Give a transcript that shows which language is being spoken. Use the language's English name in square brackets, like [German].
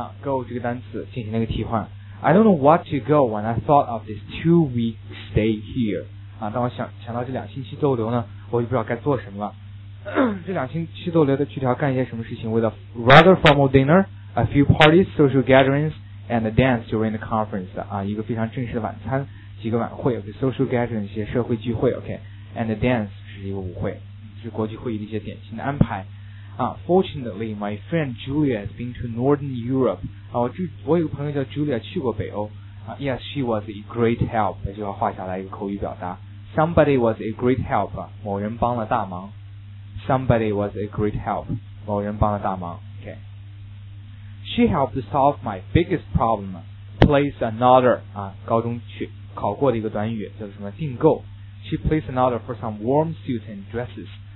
[Chinese] 啊 ,go 这个单词进行了一个替换。 [English] I don't know what to go when I thought of this two-week stay here. [Chinese] 啊，当我想到这两星期逗留呢，我就不知道该做什么了。这两星期逗留的具体要干一些什么事情 [English] ?With a rather formal dinner, a few parties, social gatherings, and a dance during the conference. [Chinese] 啊，一个非常正式的晚餐，几个晚会 ,okay, [English] social gatherings, [Chinese] 一些社会聚会 ,okay, [English] and a dance [Chinese] 是一个舞会，是国际会议的一些典型的安排。 [English] Fortunately, my friend Julia has been to Northern Europe. [Chinese] 我有个朋友叫 Julia, 去过北欧。 [English] Yes, she was a great help. [Chinese] 这句话画下来一个口语表达。 [English] Somebody was a great help. [Chinese] 某人帮了大忙。 [English] Somebody was a great help. 某人帮了大忙。Okay. She helped solve my biggest problem. Place an order. [Chinese] 高中去考过的一个短语叫什么订购。 [English] She placed an order for some warm suits and dresses.